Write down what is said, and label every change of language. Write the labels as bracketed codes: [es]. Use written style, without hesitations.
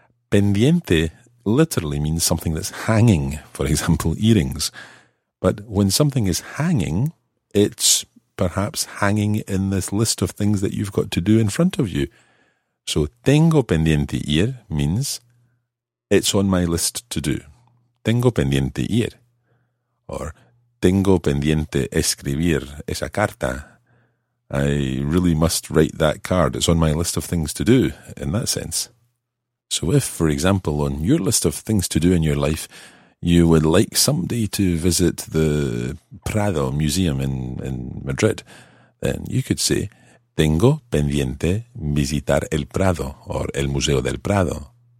[en] Pendiente literally means something that's hanging, for example, earrings. But when something is hanging, it's perhaps hanging in this list of things that you've got to do in front of you. So, [es] tengo pendiente ir [en] means it's on my list to do. [es] Tengo pendiente ir. Or, tengo pendiente escribir esa carta. [en] I really must write that card. It's on my list of things to do, in that sense. So if, for example, on your list of things to do in your life, you would like somebody to visit the Prado Museum in Madrid, then you could say, [es] tengo pendiente visitar el Prado, or el Museo del Prado.